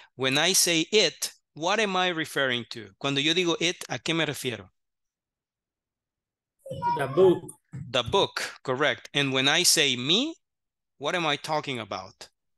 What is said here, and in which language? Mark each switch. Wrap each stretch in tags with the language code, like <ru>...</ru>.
<en>When I say it, what am I referring to?</en> <es>Cuando yo digo it, ¿a qué me refiero?</es> <en>The book. The book, correct. And when I say me, what am I talking about?</en>